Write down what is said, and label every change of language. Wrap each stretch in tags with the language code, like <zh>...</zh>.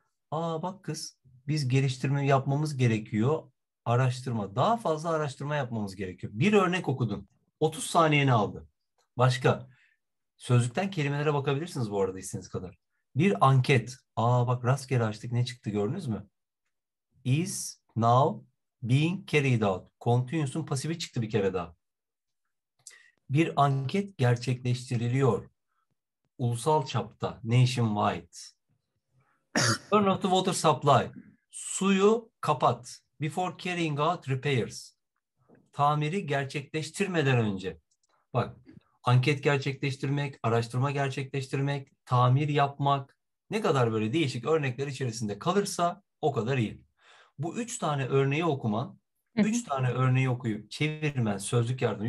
<tr>Aa bak kız, biz geliştirme yapmamız gerekiyor. Araştırma. Daha fazla araştırma yapmamız gerekiyor. Bir örnek okudun. 30 saniyeni aldı. Başka? Sözlükten kelimelere bakabilirsiniz bu arada istediğiniz kadar. Bir anket. Aa bak rastgele açtık ne çıktı gördünüz mü?</tr> <en>Is now being carried out.</en> <tr>Continuous'un pasifi çıktı bir kere daha. Bir anket gerçekleştiriliyor. Ulusal çapta. Nationwide.</tr> <en>Turn off the water supply.</en> <tr>Suyu kapat.</tr> <en>Before carrying out repairs.</en> <tr>Tamiri gerçekleştirmeden önce. Bak anket gerçekleştirmek, araştırma gerçekleştirmek, tamir yapmak. Ne kadar böyle değişik örnekler içerisinde kalırsa o kadar iyi. Bu üç tane örneği okuman, üç tane örneği okuyup çevirmen sözlük yardımı.</tr>